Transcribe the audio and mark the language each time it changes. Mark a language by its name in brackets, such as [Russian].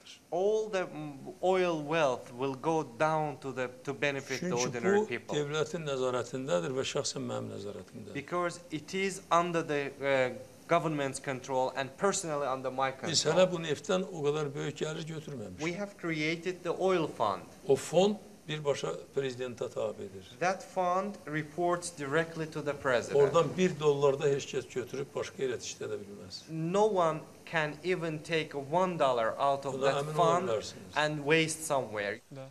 [English] All the oil wealth will go down to benefit [Azerbaijani] Çünkü [English] the ordinary [Azerbaijani] bu, [English] people. [Azerbaijani] Devletin nazaretindedir ve şahsen benim nazaretimde. [English] Because it is under the government's control and personally under my control. [Azerbaijani] Biz hele bu neftten o kadar büyük gelir götürmemiş. [English] We have created the oil fund. [Azerbaijani] O fond birbaşa prezidente tabidir. [English] That fund reports directly to the president. [Azerbaijani] Oradan bir dolar da herkes götürüp başka yere işletebilmez. [English] No one can even take $1 out of that fund and waste somewhere.